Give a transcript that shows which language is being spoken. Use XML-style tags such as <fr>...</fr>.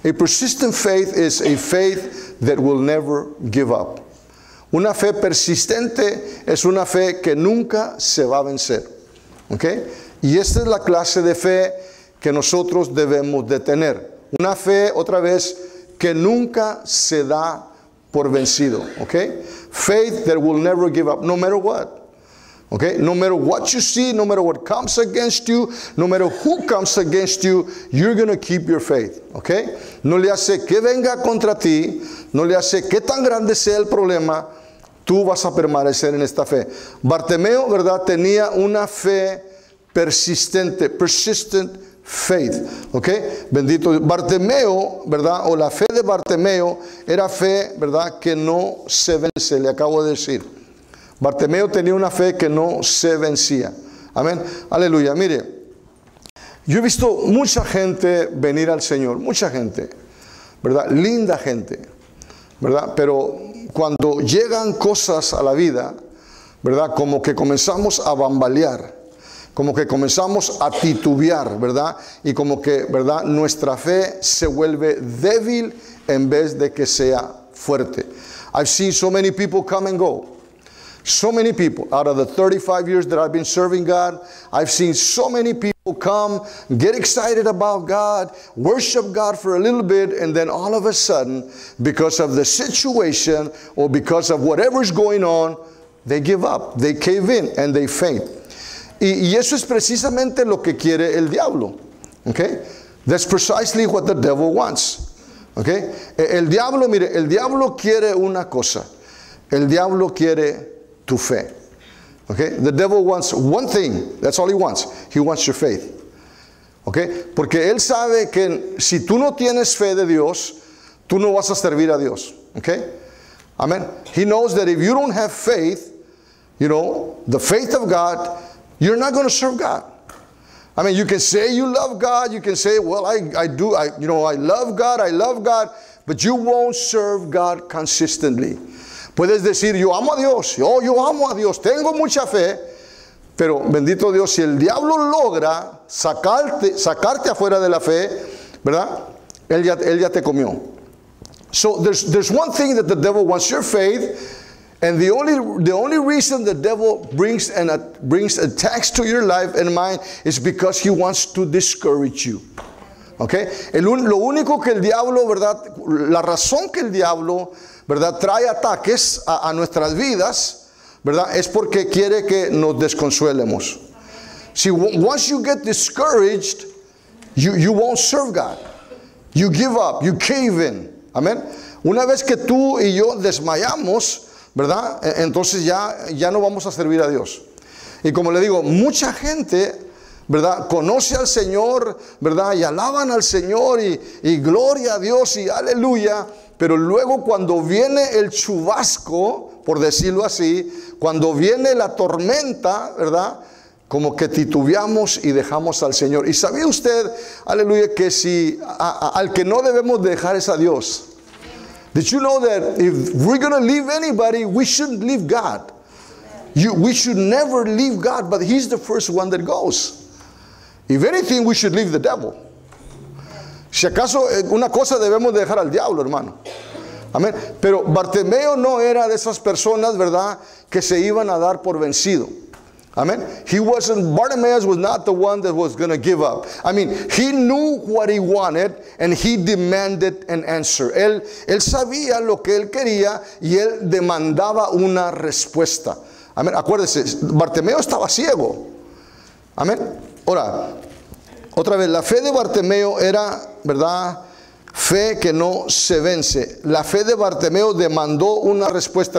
<en>A persistent faith is a faith that will never give up.</en> <es>Una fe persistente es una fe que nunca se va a vencer. ¿Okay? Y esta es la clase de fe que nosotros debemos de tener. Una fe, otra vez, que nunca se da por vencido. ¿Okay?</es> <en>Faith that will never give up, no matter what. Okay, no matter what you see, no matter what comes against you, no matter who comes against you, you're going to keep your faith.</en> <es>Okay, no le hace que venga contra ti, no le hace que tan grande sea el problema, tú vas a permanecer en esta fe. Bartimeo, ¿verdad?, tenía una fe persistente,</es> <en>persistent faith.</en> <es>Okay, bendito Bartimeo, ¿verdad?, o la fe de Bartimeo era fe, ¿verdad?, que no se vence, le acabo de decir. Bartimeo tenía una fe que no se vencía. Amén. Aleluya. Mire, yo he visto mucha gente venir al Señor. Mucha gente. ¿Verdad? Linda gente. ¿Verdad? Pero cuando llegan cosas a la vida, ¿verdad? Como que comenzamos a bambalear. Como que comenzamos a titubear, ¿verdad? Y como que, ¿verdad? Nuestra fe se vuelve débil en vez de que sea fuerte.</es> <en>I've seen so many people come and go. So many people, out of the 35 years that I've been serving God, I've seen so many people come, get excited about God, worship God for a little bit, and then all of a sudden, because of the situation, or because of whatever's going on, they give up, they cave in, and they faint.</en> <es>Y eso es precisamente lo que quiere el diablo, okay?</es> <en>That's precisely what the devil wants, okay?</en> <es>El diablo, mire, el diablo quiere una cosa. El diablo quiere tu fe. Okay?</es> <en>The devil wants one thing. That's all he wants. He wants your faith. Okay?</en> <es>Porque él sabe que si tú no tienes fe de Dios, tú no vas a servir a Dios. Okay? Amen.</es> <en>He knows that if you don't have faith, you know, the faith of God, you're not going to serve God. I mean, you can say you love God. You can say, well, I love God. But you won't serve God consistently.</en> <es>Puedes decir, yo amo a Dios, oh, yo amo a Dios, tengo mucha fe, pero bendito Dios, si el diablo logra sacarte afuera de la fe, ¿verdad? Él ya te comió.</es> <en>So there's one thing that the devil wants, your faith, and the only reason the devil brings attacks to your life and mine is because he wants to discourage you.</en> <es>Okay? Lo único que el diablo, ¿verdad? La razón que el diablo, ¿verdad?, trae ataques a nuestras vidas, ¿verdad?, es porque quiere que nos desconsuelemos.</es> <en>See, once you get discouraged, you won't serve God. You give up, you cave in. Amen.</en> <es>Una vez que tú y yo desmayamos, ¿verdad?, entonces ya no vamos a servir a Dios. Y como le digo, mucha gente, ¿verdad?, conoce al Señor, ¿verdad?, y alaban al Señor y gloria a Dios y aleluya. Pero luego cuando viene el chubasco, por decirlo así, cuando viene la tormenta, ¿verdad?, como que titubeamos y dejamos al Señor. ¿Y sabía usted, aleluya, que si al que no debemos dejar es a Dios?</es> <en>Did you know that if we're going to leave anybody, we shouldn't leave God? We should never leave God, but he's the first one that goes. If anything, we should leave the devil.</en> <es>Si acaso una cosa debemos dejar al diablo, hermano.</es> <en>Amén.</en> <es>Pero Bartimeo no era de esas personas, ¿verdad?, que se iban a dar por vencido. Amen.</es> <en>He wasn't, Bartimaeus was not the one that was going to give up. I mean, he knew what he wanted and he demanded an answer.</en> <es>Él sabía lo que él quería y él demandaba una respuesta. Amén. Acuérdese, Bartimeo estaba ciego. Amén. Ahora, otra vez, la fe de Bartimeo era, ¿verdad? Fe que no se vence. La fe de Bartimeo demandó una respuesta.</es>